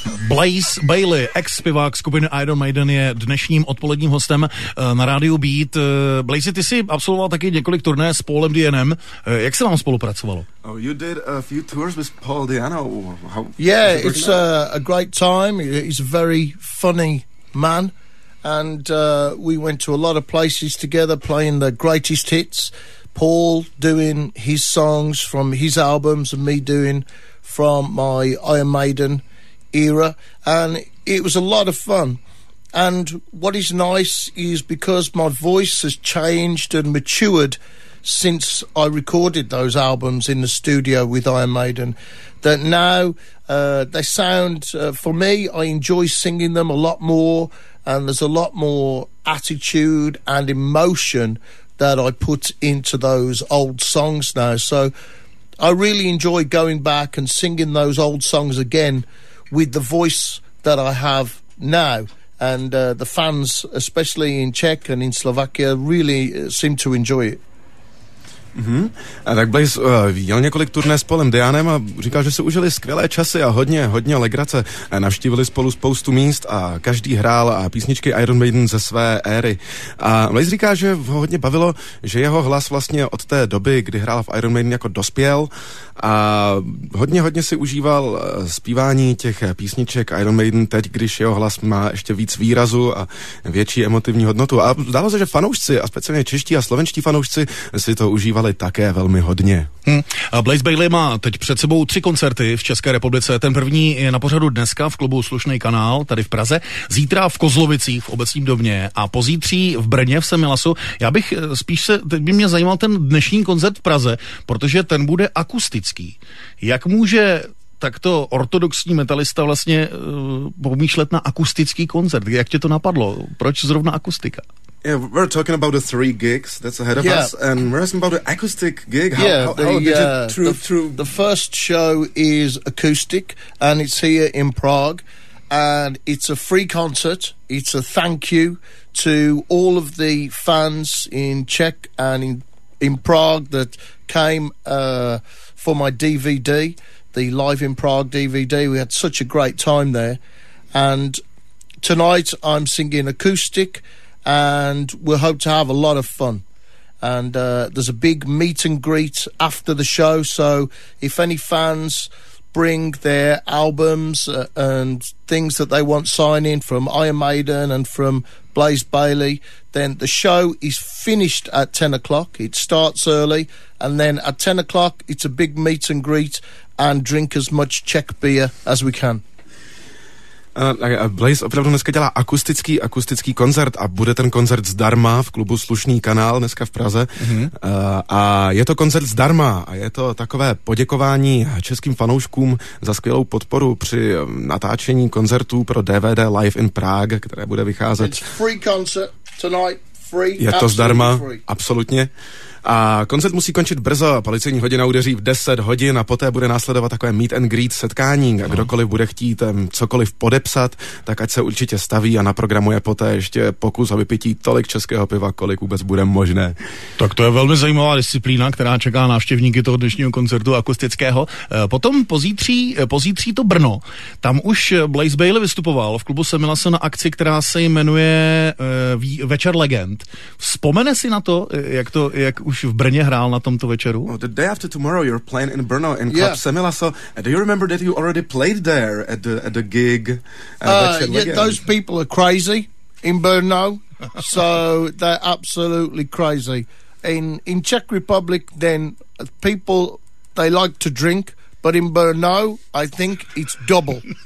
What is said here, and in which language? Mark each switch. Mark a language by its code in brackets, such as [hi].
[cs] Blaze Bailey, ex-zpěvák skupiny Iron Maiden, je dnešním odpoledním hostem na Radio Beat. Blaze, ty si absolvoval taky několik turné s Paulem Dianem. Jak se vám spolupracovalo? [en] Oh, you did a few tours with Paul Diano. Yeah, it's a great time. He's a very funny man. And we went to a lot of places together playing the greatest hits. Paul doing his songs from his albums and me doing from my Iron Maiden era. And it was a lot of fun. And what is nice is because my voice has changed and matured since I recorded those albums in the studio with Iron Maiden, that now they sound, for me, I enjoy singing them a lot more, and there's a lot more attitude and emotion that I put into those old songs now. So I really enjoy going back and singing those old songs again with the voice that I have now. And the fans, especially in Czech and in Slovakia, really seem to enjoy it. Mm-hmm. [cs] A tak Blaze jel několik turné s Paulem Dianem a říkal, že se užili skvělé časy a hodně, hodně legrace. Navštívili spolu spoustu míst a každý hrál a písničky Iron Maiden ze své éry. A Blaze říká, že ho hodně bavilo, že jeho hlas vlastně od té doby, kdy hrál v Iron Maiden, jako dospěl, a hodně, hodně si užíval zpívání těch písniček Iron Maiden teď, když jeho hlas má ještě víc výrazu a větší emotivní hodnotu. A zdálo se, že fanoušci, a speciálně čeští a slovenští fanoušci, si to užívali také velmi hodně. A Blaze Bailey má teď před sebou tři koncerty v České republice. Ten první je na pořadu dneska v klubu Slušnej kanál tady v Praze, zítra v Kozlovicích v Obecním domě a pozítří v Brně v Semilasu. Já bych spíš se, teď by mě zajímal ten dnešní koncert v Praze, protože ten bude akustický. Jak může takto ortodoxní metalista vlastně pomýšlet na akustický koncert? Jak tě to napadlo? Proč zrovna akustika? [en] Yeah, we're talking about the three gigs that's ahead of us, and we're asking about the acoustic gig. The first show is acoustic, and it's here in Prague, and it's a free concert. It's a thank you to all of the fans in Czech and in Prague that came for my DVD, the Live in Prague DVD. We had such a great time there, and tonight I'm singing acoustic. And we'll hope to have a lot of fun. And there's a big meet and greet after the show. So if any fans bring their albums and things that they want signing from Iron Maiden and from Blaze Bailey, then the show is finished at 10 o'clock. It starts early. And then at 10 o'clock, it's a big meet and greet and drink as much Czech beer as we can. [cs] Blaze opravdu dneska dělá akustický koncert a bude ten koncert zdarma v klubu Slušný kanál dneska v Praze. A je to koncert zdarma a je to takové poděkování českým fanouškům za skvělou podporu při natáčení koncertů pro DVD Live in Prague, které bude vycházet. [en] It's free concert tonight. [cs] Je to zdarma, absolutně. A koncert musí končit brzo, policejní hodina udeří v 10 hodin a poté bude následovat takové meet and greet setkání. A kdokoliv bude chtít cokoliv podepsat, tak ať se určitě staví a naprogramuje poté ještě pokus o vypití tolik českého piva, kolik vůbec bude možné. Tak to je velmi zajímavá disciplína, která čeká návštěvníky toho dnešního koncertu akustického. Potom pozítří to Brno. Tam už Blaze Bailey vystupoval v klubu Semilase na akci, která se jmenuje Večer legend. Vzpomene si na to, jak už v Brně hrál na tomto večeru. [en] Oh, the day after tomorrow you're playing in Brno in Club Semilasso. Do you remember that you already played there at the gig? Those people are crazy in Brno. So they're absolutely crazy. In Czech Republic then people they like to drink, but in Brno I think it's double.